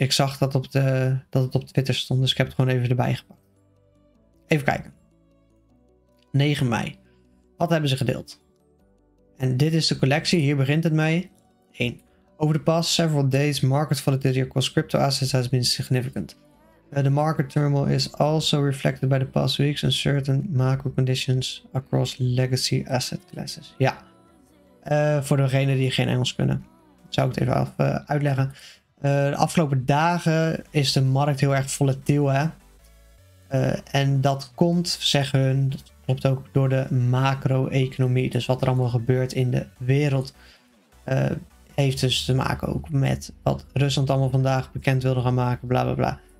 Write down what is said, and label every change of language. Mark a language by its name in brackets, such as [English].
[Dutch] Ik zag dat, dat het op Twitter stond, dus ik heb het gewoon even erbij gepakt. Even kijken. 9 mei. Wat hebben ze gedeeld? En dit is de collectie, hier begint het mee. 1. [English] Over the past several days, market volatility across crypto assets has been significant. The market turmoil is also reflected by the past weeks and certain macro conditions across legacy asset classes. [Dutch] Ja. Voor degenen die geen Engels kunnen, zou ik het even uitleggen. De afgelopen dagen is de markt heel erg volatiel, hè. En dat komt, zeggen hun, dat klopt ook, door de macro-economie. Dus wat er allemaal gebeurt in de wereld. Heeft dus te maken ook met wat Rusland allemaal vandaag bekend wilde gaan maken, bla bla bla.